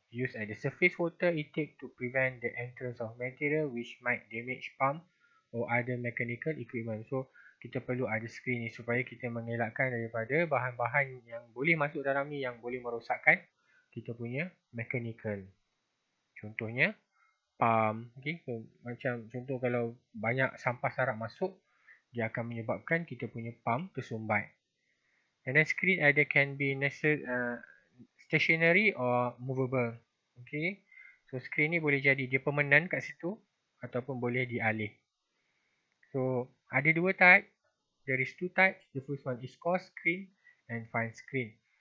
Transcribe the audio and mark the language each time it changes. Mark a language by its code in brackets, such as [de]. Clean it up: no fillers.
[en] Use at the surface water intake to prevent the entrance of material which might damage pump or other mechanical equipment. [ms] So, kita perlu ada screen ni supaya kita mengelakkan daripada bahan-bahan yang boleh masuk dalam ni yang boleh merosakkan kita punya mechanical. Contohnya, pump. Okay, so, macam contoh kalau banyak sampah sarap masuk, dia akan menyebabkan kita punya pump tersumbat. [en] And then screen either can be stationary or movable. Okay. [ms] So screen ni boleh jadi dia permanent kat situ ataupun boleh dialih. So ada dua type. [en] There is two types. The first one is coarse screen and fine screen.